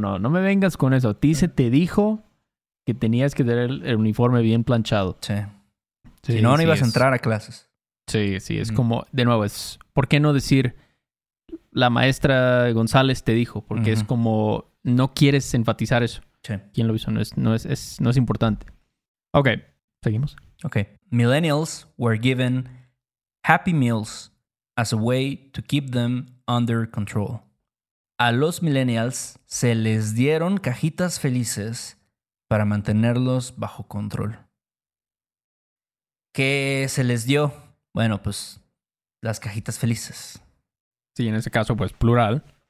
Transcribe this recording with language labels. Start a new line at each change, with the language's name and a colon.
Spanish: No me vengas con eso. A ti se te dijo que tenías que tener el uniforme bien planchado. Sí. Si no, no ibas a entrar a clases. Sí, es como, de nuevo, es, ¿por qué no decir la maestra González te dijo? Porque es como, no quieres enfatizar eso. Sí. ¿Quién lo hizo? No es importante. Ok, seguimos. Ok.
English: Millennials were given Happy Meals as a way to keep them under control.
Spanish: A los millennials se les dieron cajitas felices para mantenerlos bajo control. ¿Qué se les dio? Bueno, pues las cajitas felices. Sí, en ese caso, pues plural.